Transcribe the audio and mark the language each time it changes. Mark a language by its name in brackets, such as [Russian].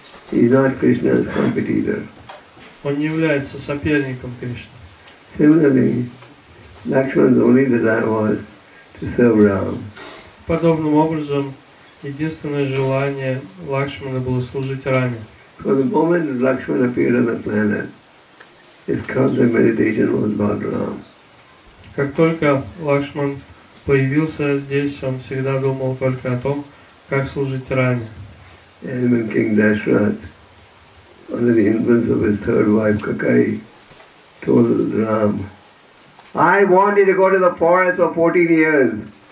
[English] He is not Krishna's competitor. [Russian] Он не является соперником Кришны. [English] Similarly, Lakshman's only desire was to serve Ram. [Russian] Подобным образом, единственное желание Лакшмана было служить Раме. [English] From the moment Lakshman appeared on the planet, his constant meditation was about Ram. [Russian] Как только Лакшман появился здесь, он всегда думал только о том, как служить Раме. [English] And when King Dashrath, under the influence of his third wife, Kakai, told Ram, I want you to go to the forest for 14 years.